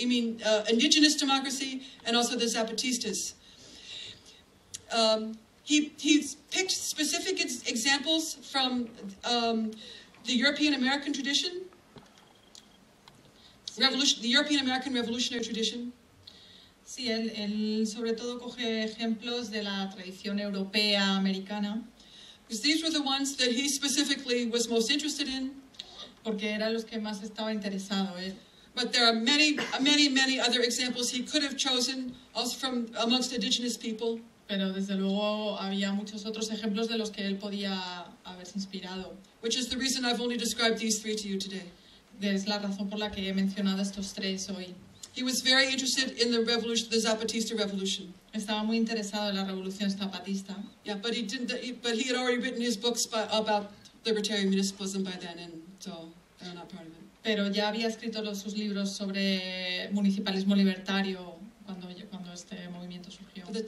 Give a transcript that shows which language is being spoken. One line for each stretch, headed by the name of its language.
English: I mean, indigenous democracy, and also the Zapatistas. He picked specific examples from the European American tradition, the European American revolutionary tradition.
Spanish: Sí, él sobre todo coge ejemplos de la tradición europea americana.
English: Because these were the ones that he specifically was most interested in.
Spanish: Porque eran los que más estaba interesado él.
English: But there are many, many, many other examples he could have chosen, also from amongst indigenous people.
Spanish: Pero desde luego había muchos otros ejemplos de los que él podía haberse inspirado.
English: Which is the reason I've only described these three to you today.
Spanish: Es la razón por la que he mencionado estos tres hoy.
English: He was very interested in the revolution, the Zapatista revolution.
Spanish: Estaba muy interesado en la revolución zapatista.
English: Yeah, but he had already written his books about libertarian municipalism by then, and so they're not part of it.
Spanish: Pero ya había escrito sus libros sobre municipalismo libertario cuando este movimiento surgió.